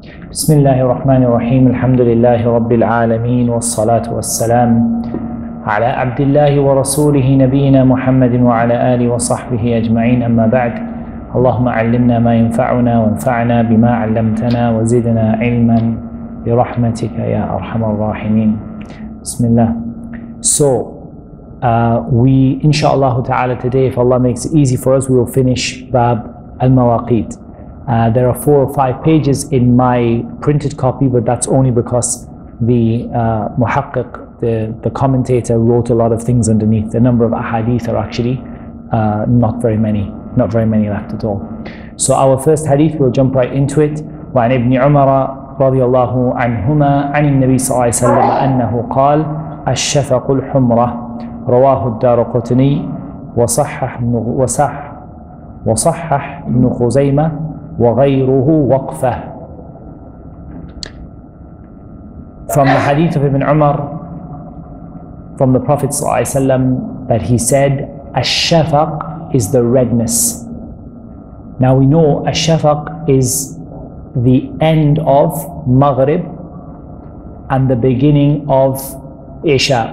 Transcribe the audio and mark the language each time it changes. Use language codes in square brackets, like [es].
[ar] بسم الله الرحمن الرحيم الحمد لله رب العالمين والصلاة والسلام على عبد الله ورسوله نبينا محمد وعلى آله وصحبه أجمعين أما بعد اللهم علمنا ما ينفعنا وانفعنا بما علمتنا وزدنا علما برحمتك يا أرحم الراحمين بسم الله [en] So we inshallah ta'ala today if Allah makes it easy for us we will finish Bab al-Mawaqid. There are four or five pages in my printed copy, but that's only because the muhaqqiq, the commentator, wrote a lot of things underneath. The number of ahadith are actually not very many left at all. So our first hadith, we'll jump right into it. [ar] وعن ابن عمر رضي الله عنهما عن النبي صلى الله عليه وسلم أنه قال الشفق الحمرة رواه الدارقطني وصحح ابن خزيمة وغيره وقفة. [en] From the hadith of Ibn Umar, from the Prophet صلى الله عليه وسلم, that he said, "Ash-shafaq is the redness." Now we know ash-shafaq is the end of Maghrib and the beginning of Isha.